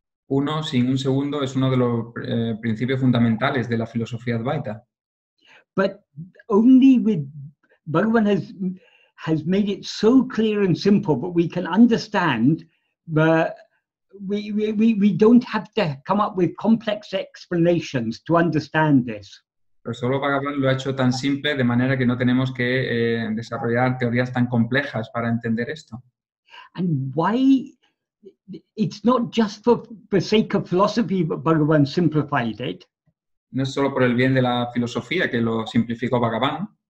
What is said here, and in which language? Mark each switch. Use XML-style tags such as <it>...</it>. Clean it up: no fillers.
<es>Uno sin un segundo es uno de los principios fundamentales de la filosofía Advaita.</es> <en>But only with Bhagavan has made it so clear and simple that we can understand, but we don't have to come up with complex explanations to understand this.</en> <es>Pero solo Bhagavan lo ha hecho tan simple de manera que no tenemos que desarrollar teorías tan complejas para entender esto.</es> <en>And why it's not just for the sake of philosophy but Bhagavan simplified it.</en> <es>No es solo por el bien de la filosofía que lo simplificó Bhagavan.</es>